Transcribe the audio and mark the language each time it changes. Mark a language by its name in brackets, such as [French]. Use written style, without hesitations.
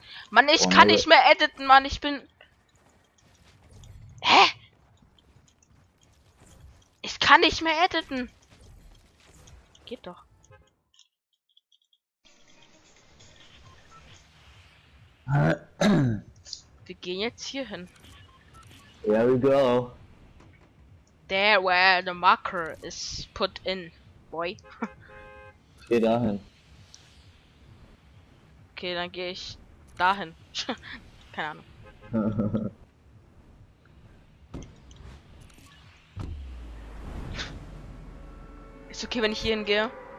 [German] Mann, ich kann nicht mehr editen, Mann. Ich bin. Hä? Ich kann nicht mehr editen. Geht doch. Wir gehen jetzt hier hin. [English] There we go. There where the marker is put in, boy. [German] Ich geh dahin. Okay, dann gehe ich dahin. Keine Ahnung. Ist okay, wenn ich hier hingehe?